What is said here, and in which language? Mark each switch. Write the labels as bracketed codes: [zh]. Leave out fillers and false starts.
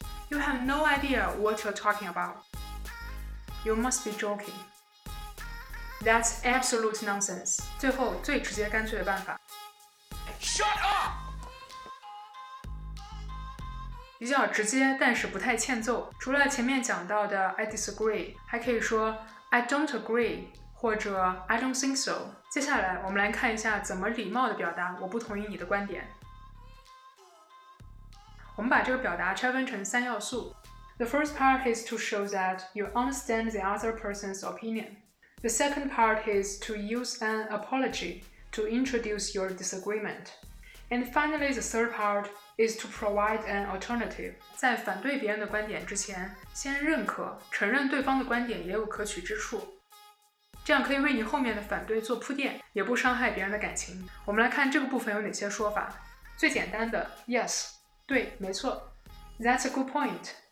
[en] You have no idea what you're talking about. You must be joking. That's absolute nonsense. [zh] 最后最直接干脆的办法。 [en] Shut up! [zh] 比较直接但是不太欠揍。除了前面讲到的 I disagree, 还可以说 I don't agree, 或者 [en] I don't think so. [zh] 接下来我们来看一下怎么礼貌地表达我不同意你的观点。我们把这个表达拆分成三要素。 [en] The first part is to show that you understand the other person's opinion. The second part is to use an apology to introduce your disagreement. And finally, the third part is to provide an alternative. [zh] 在反对别人的观点之前，先认可，承认对方的观点也有可取之处。这样可以为你后面的反对做铺垫，也不伤害别人的感情。我们来看这个部分有哪些说法。最简单的 ,yes, 对，没错。 [en] That's a good point.